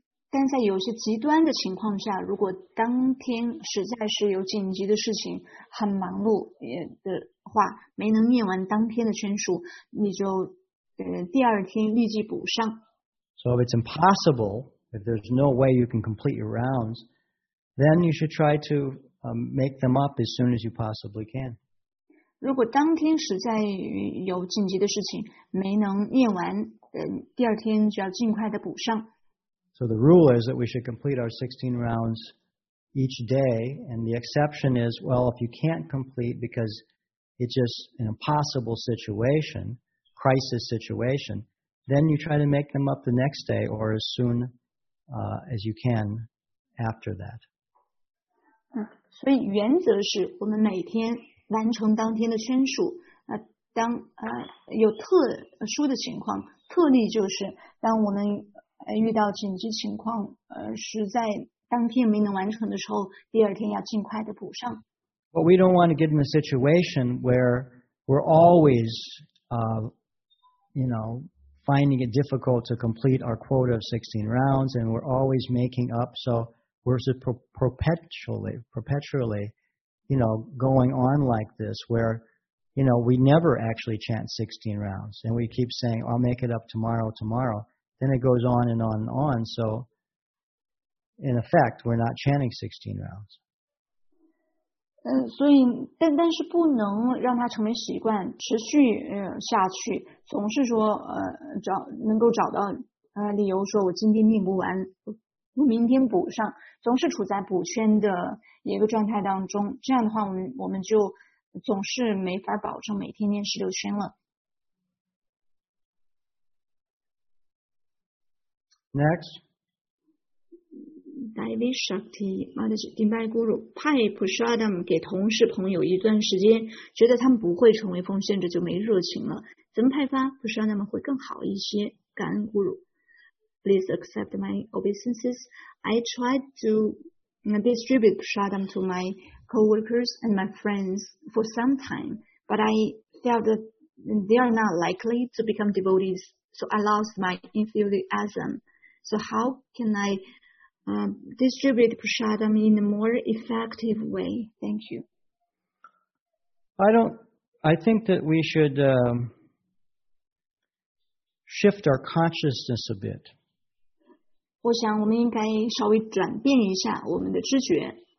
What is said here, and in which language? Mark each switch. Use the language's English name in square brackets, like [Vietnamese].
[Chinese] 但在有些极端的情况下，如果当天实在是有紧急的事情，很忙碌的。话没能念完当天的全书，你就第二天立即补上。 [English] So if it's impossible, if there's no way you can complete your rounds, then you should try to make them up as soon as you possibly can. [Chinese] 如果当天实在有紧急的事情没能念完，第二天就要尽快的补上。 [English] So the rule is that we should complete our 16 rounds each day, and the exception is, well, if you can't complete becauseIt's just an impossible situation, crisis situation. Then you try to make them up the next day or as soon as you can after that. [Chinese] 所以原则是我们每天完成当天的宣数。当有特殊的情况，特例就是当我们遇到紧急情况，实在当天没能完成的时候，第二天要尽快的补上。 [English] But we don't want to get in a situation where we're always, you know, finding it difficult to complete our quota of 16 rounds, and we're always making up, so we're perpetually, you know, going on like this, where, you know, we never actually chant 16 rounds, and we keep saying, I'll make it up tomorrow, then it goes on and on and on, so in effect, we're not chanting 16 rounds. [Chinese] 所以但是不能让它成为习惯持续下去，总是说能够找到理由说我今天念不完，我明天补上，总是处在补圈的一个状态当中，这样的话我们就总是没法保证每天念十六圈了。 [English] Next. [Chinese] Devi Shakti Madhyamai Guru 派普沙达姆给同事朋友一段时间，觉得他们不会成为奉献者，就没热情了。怎么派发普沙达姆会更好一些？感恩 [English] Guru。Please accept my obeisances. I tried to distribute prasadam to my co-workers and my friends for some time, but I felt that they are not likely to become devotees, so I lost my enthusiasm. So how can I distribute prasadam in a more effective way? Thank you. I think that we should shift our consciousness a bit. [Chinese] 我想我们应该稍微转变一下我们的知觉。